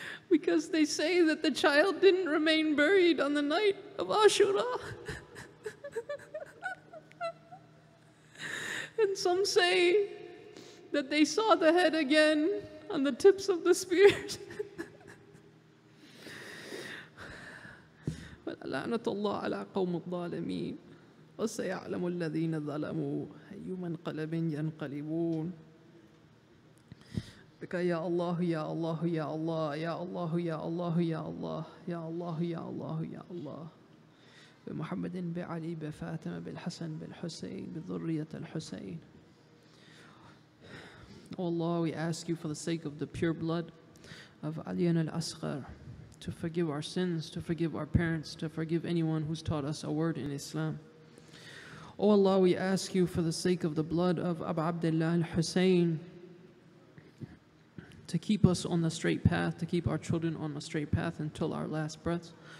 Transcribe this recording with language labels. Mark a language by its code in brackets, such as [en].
[en] Because they say that the child didn't remain buried on the night of Ashura. And some say that they saw the head again on the tips of the spears. But [ar] لعنة الله على قوم الظالمين وسيعلم الذين ظلموا أي منقلب ينقلبون بك يا الله يا الله يا الله يا الله يا الله يا الله يا الله يا الله يا الله بمحمد بعلي بفاتمة بالحسن بالحسين بذرية الحسين. [en] Oh Allah, we ask you for the sake of the pure blood of Ali and Al-Asghar to forgive our sins, to forgive our parents, to forgive anyone who's taught us a word in Islam. Oh Allah, we ask you for the sake of the blood of Abu Abdullah Al-Hussein to keep us on the straight path, to keep our children on the straight path until our last breaths.